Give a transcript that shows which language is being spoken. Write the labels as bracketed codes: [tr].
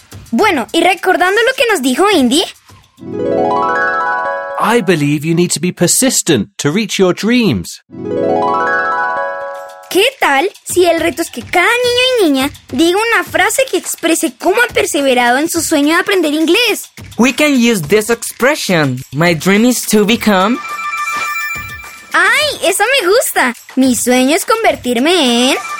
[es] Bueno, y recordando lo que nos dijo Indy. [en] I believe you need to be persistent to reach your dreams. [es] ¿Qué tal si el reto es que cada niño y niña diga una frase que exprese cómo ha perseverado en su sueño de aprender inglés? [en] We can use this expression. My dream is to become... [es] ¡Ay! ¡Esa me gusta! Mi sueño es convertirme en...